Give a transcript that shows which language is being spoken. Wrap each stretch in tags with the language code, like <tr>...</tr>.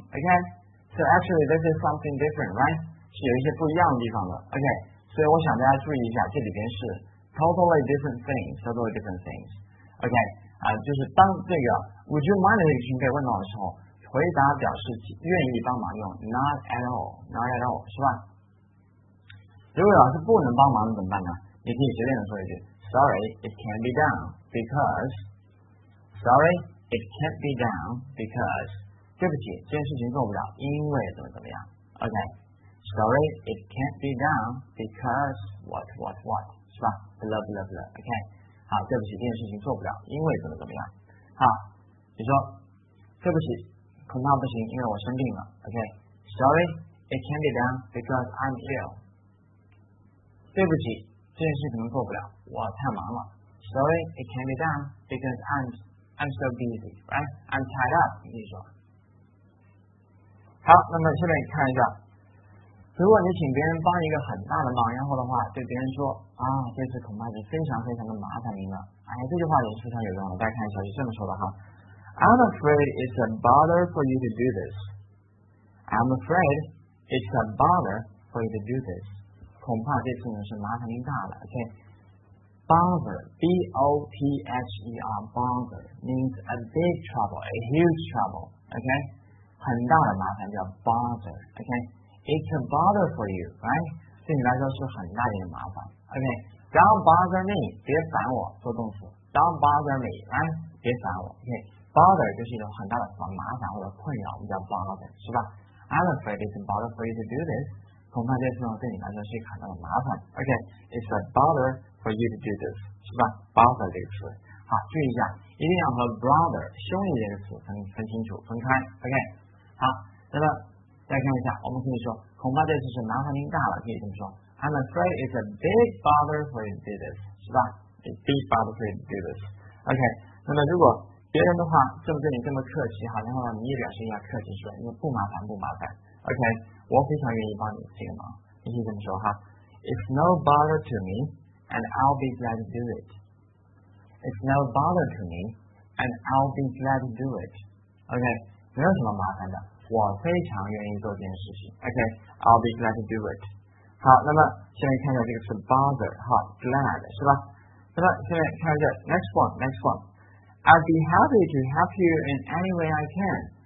<en>OK, so actually, this is something different, right?</en> <zh>是有一些不一样的地方的。 OK, 所以我想大家注意一下，这里边是</zh> <en>totally different things, totally different things.</en> <zh>OK, 啊，就是当这个 Would you mind 这个情被问到的时候，回答表示愿意帮忙用</zh> <en>Not at all, Not at all,</en> <zh>是吧？如果老师不能帮忙怎么办呢？你可以随便的说一句</zh> <en>，Sorry, it can't be done because. Sorry, it can't be done because.</en> <zh>对不起，这件事情做不了，因为怎么怎么样 ？OK.</zh> <en>Sorry, it can't be done because what</en> <zh>是吧</zh> <en>？Blah blah blah. OK.</en> <zh>好，对不起，这件事情做不了，因为怎么怎么样？好，你说，对不起，恐怕不行，因为我生病了。</zh> <en>OK. Sorry, it can't be done because I'm ill.</en> <zh>对不起，这件事可能做不了，我太忙了。</zh> <en>Sorry, it can't be done because I'm so busy, right? I'm tied up.</en> <zh>你可以说。好，那么下面看一下，如果你请别人帮一个很大的忙，然后的话对别人说啊，这次恐怕是非常非常的麻烦您了。哎，这句话也是非常有用的。大家看一下是这么说的哈。</zh> <en>I'm afraid it's a bother for you to do this. I'm afraid it's a bother for you to do this.</en> <zh>恐怕这次呢是麻烦您大了 ，OK?</zh> <en>Bother, B-O-T-H-E-R, bother means a big trouble, a huge trouble, OK?</en> <zh>很大的麻烦叫</zh> <en>bother, OK? It's a bother for you, right?</en> <zh>对你来说是很大的一个麻烦 ，OK?</zh> <en>Don't bother me,</en> <zh>别烦我，做动词</zh> <en>，Don't bother me, right?</en> <zh>别烦我 ，OK? Bother 就是一种很大的麻烦或者困扰，我们叫 bother, 是吧 ？</zh> <en>I'm afraid it's a bother for you to do this.</en> <zh>恐怕这次呢对你来说是很大的麻烦。</zh> <en>OK, it's a bother for you to do this,</en> <zh>是吧 ？bother 这个词，好，注意一下，一定要和 brother 兄弟这个词分清楚、分开。 OK, 好，那么再看一下，我们可以说，恐怕这次是麻烦您大了，可以这么说。</zh> <en>I'm afraid it's a big bother for you to do this,</en> <zh>是吧</zh> <en>？A big bother for you to do this.</en> <zh>OK, 那么如果别人的话这么对你这么客气哈，然后你也表示一下客气说，因为不麻烦不麻烦。 OK。 我非常愿意帮你这个忙，你可以这么说哈。</zh> <en>It's no bother to me, and I'll be glad to do it. It's no bother to me, and I'll be glad to do it.</en> <zh>Okay, 没有什么麻烦的，我非常愿意做这件事情。</zh> <en>Okay, I'll be glad to do it.</en> <zh>好，那么现在看到这个是</zh> <en>bother, 好 glad 是吧？</en> <zh>那么现在看一下</zh> <en>next one. I'd be happy to help you in any way I can.</en>